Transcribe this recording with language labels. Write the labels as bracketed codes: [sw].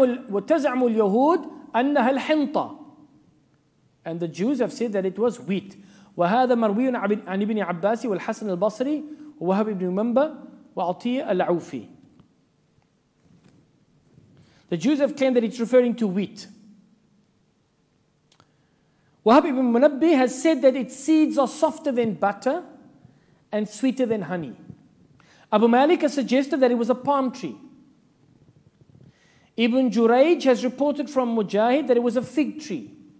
[ar] وتزعم اليهود أنها الحنطة. [en] And the Jews have said that it was wheat. [ar] وهذا مروي عن ابن عباس والحسن البصري ووهب بن منبى وعطية العوفي. [en] The Jews have claimed that it's referring to wheat. وهب بن منبى has said that its seeds are softer than butter and sweeter than honey. Abu Malik has suggested that it was a palm tree. Ibn Juraij has reported from Mujahid that it was a fig tree.